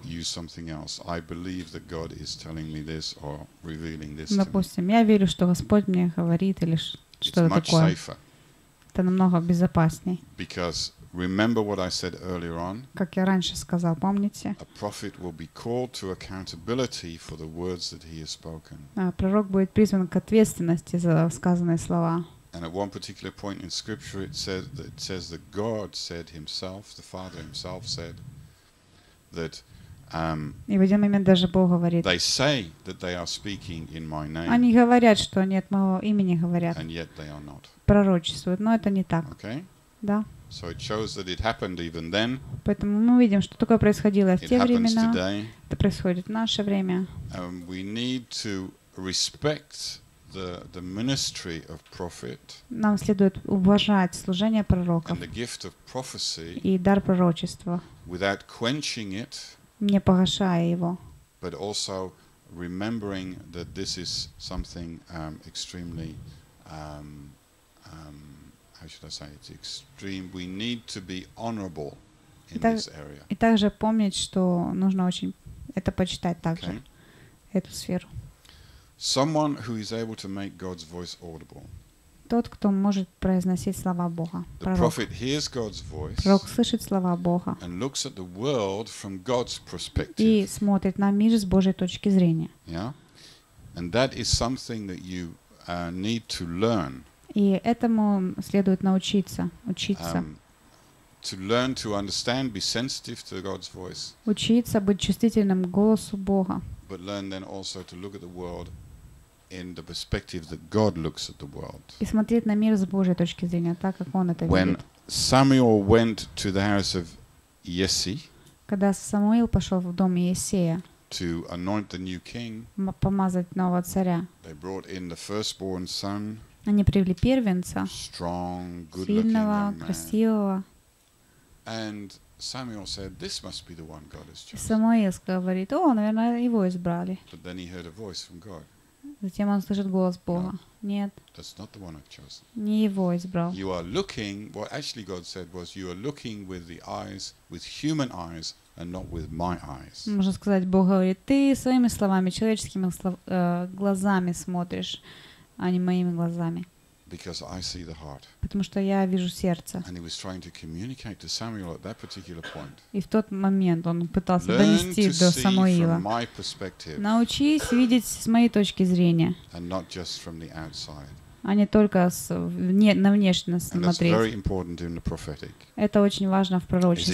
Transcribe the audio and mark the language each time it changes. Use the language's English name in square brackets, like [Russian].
[English] Use something else. I believe that God is telling me this or revealing this. [Russian] Допустим, я верю, что Господь мне говорит или что-то такое. [English] It's much safer. [Russian] Это намного безопасней. [English] Because remember what I said earlier on. [Russian] Как я раньше сказал, помните? [English] A prophet will be called to accountability for the words that he has spoken. [Russian] Пророк будет призван к ответственности за сказанные слова. [English] And at one particular point in Scripture, it says that God said Himself, the Father Himself said that. [Russian] И в один момент даже Бог говорит. [English] They say that they are speaking in my name. [Russian] Они говорят, что они от моего имени говорят. [English] And yet they are not. [Russian] Пророчествуют, но это не так. [English] Okay. [Russian] Да. [English] So it shows that it happened even then. [Russian] Поэтому мы видим, что такое происходило в те времена. [English] It happens today. [Russian] Это происходит в наше время. [English] We need to respect the ministry of prophet. [Russian] Нам следует уважать служение пророка. [English] And the gift of prophecy. [Russian] И дар пророчества. [English] Without quenching it. [Russian] Не погашая его. [English] But also remembering that this is something extremely how should I say it's extreme. We need to be honorable in this area. [Russian] И также помнить, что нужно очень это почитать также эту сферу. [English] Someone who is able to make God's voice audible. [Russian] Тот, кто может произносить слова Бога. [English] The prophet hears God's voice. [Russian] Пророк слышит слова Бога. [English] And looks at the world from God's perspective. [Russian] И смотрит на мир с Божьей точки зрения. [English] Yeah. And that is something that you need to learn. [Russian] И этому следует учиться. [English] To learn to understand, be sensitive to God's voice. [Russian] Учиться быть чувствительным к голосу Бога. [English] But learn then also to look at the world in the perspective that God looks at the world. [Russian] И смотреть на мир с Божьей точки зрения, так как он это видит. [English] When Samuel went to the house of Jesse. [Russian] Когда Самуил пошёл в дом Иессея. [English] To anoint the new king. [Russian] Помазать нового царя. [English] They brought in the firstborn son. [Russian] Они привели первенца. [English] Strong, [Russian] сильного, красивого. [English] And Samuel said, "This must be the one God has chosen." [Russian] Самуил говорит: "О, наверное, его избрали." [English] But then he heard a voice from God. [Russian] Затем он слышит голос Бога. [English] No, [Russian] нет. [English] That's not the one I've chosen. [Russian] Не его избрал. [English] You are looking. What actually God said was, "You are looking with the eyes, with human eyes, and not with my eyes." [Russian] Можно сказать, Бог говорит: "Ты своими словами, человеческими глазами смотришь, а не моими глазами." [English] Because I see the heart. [Russian] Потому что я вижу сердце. [English] And he was trying to communicate to Samuel at that particular point. [Russian] И в тот момент он пытался донести до Самуила. [English] From my perspective. [Russian] Научись видеть с моей точки зрения. [English] And not just from the outside. [Russian] А не только на внешность смотреть. [English] And that's very important in the prophetic. [Russian] Это очень важно в пророчестве.